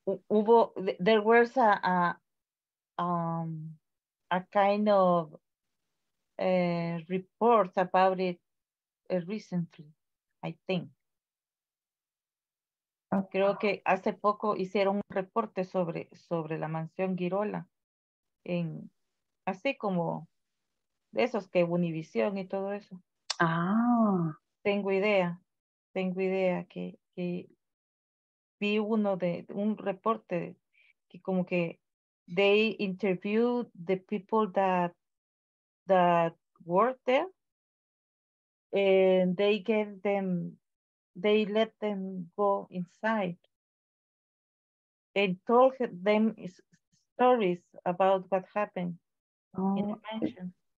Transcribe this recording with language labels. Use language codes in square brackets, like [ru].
[es] Hubo, [en] there was a kind of report about it recently, I think. [es] Creo que hace poco hicieron un reporte sobre la mansión Girola, así como de esos que Univision y todo eso. Ah. Tengo idea que vi uno de un reporte que como que [en] they interviewed the people that worked there and they let them go inside and told them stories about what happened in the mansion.